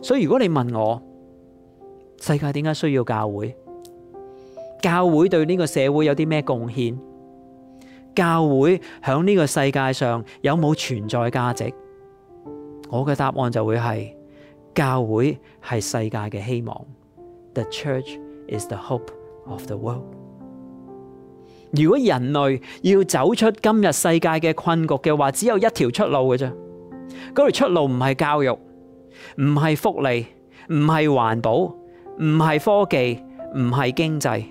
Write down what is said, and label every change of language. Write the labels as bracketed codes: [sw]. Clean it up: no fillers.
[zh] 所以如果你问我，世界为什么需要教会？教会对这个社会有什么贡献？教会在这个世界上有没有存在价值？我的答案就会是，教会是世界的希望。 [en] The church is the hope of the world。 [zh] 如果人类要走出今日世界的困局的话，只有一条出路而已。那条出路不是教育，不是福利，不是环保，不是科技，不是经济。